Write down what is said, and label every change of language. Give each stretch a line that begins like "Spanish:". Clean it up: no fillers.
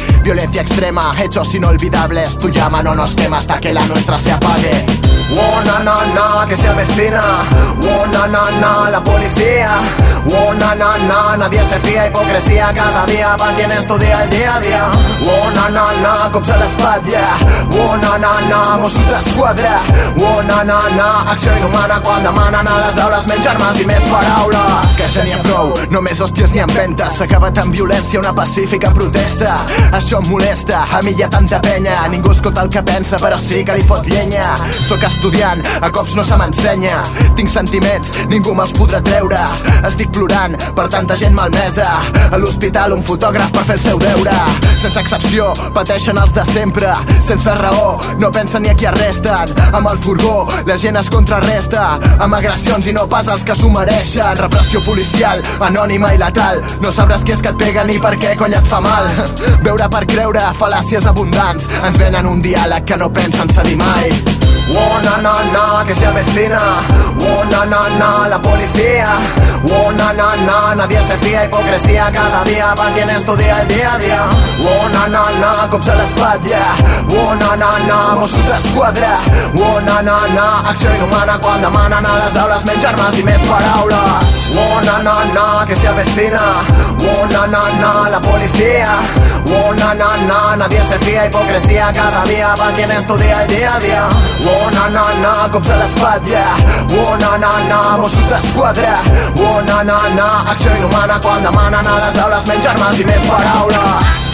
Spanish: Violencia extrema, hechos inolvidables. Tu llama no nos quema hasta que la nuestra se apague. Oh na na na, que se avecina. Oh na na na, la policía. Oh na na na, nadie se fía. Hipocresía cada día, va quien estudia el día a día. Oh na na na, cops a la espalda. Oh na na na, Mossos d'Esquadra.
Catalan: Oh na na na, acció inhumana. Quan demanen a les aules menys armes i més paraules. Que ja n'hi ha prou, només hòsties ni empentes. S'acaba tan violència una pacífica protesta. Això em molesta, a mi hi ha tanta penya. Ningú escolta el que pensa però sí que li fot llenya. Sóc estudiant, a cops no se m'ensenya. Tinc sentiments, ningú me'ls podrà treure. Estic plorant per tanta gent malmesa. A l'hospital un fotògraf per fer el seu deure. Sense excepció, pateixen els de sempre. Sense raó, no pensen ni a qui arresten. Amb el furgó, la gent es contrarresta. Amb agressions i no pas els que s'ho mereixen. Repressió policial, anònima i letal. No sabràs qui és que et pega ni per què coll et fa mal. Veure per creure, fal·làcies abundants. Ens venen un diàleg que no pensen cedir mai. Oh na na na,
Spanish: que se avecina. Oh na na na, la policía. Oh na na na, nadie se fía. Hipocresía cada día, va quien estudia el día a día. Oh na na na, cops a la espalda. Oh na na na, Mossos d'Esquadra.
Catalan: Oh na na na, acció inhumana. Quan demanen a les aules menys armes i més paraules.
Spanish: Oh na na na, que se avecina. Oh na na na, la policía. Oh na na na, nadie se fía. Hipocresía cada día, va quien estudia el día a día.
Catalan: Oh na na na, cops a l'espatlla. Oh na na na, Mossos d'Esquadra. Oh na na na, acció inhumana. Quan demanen a les aules menys armes i més paraules.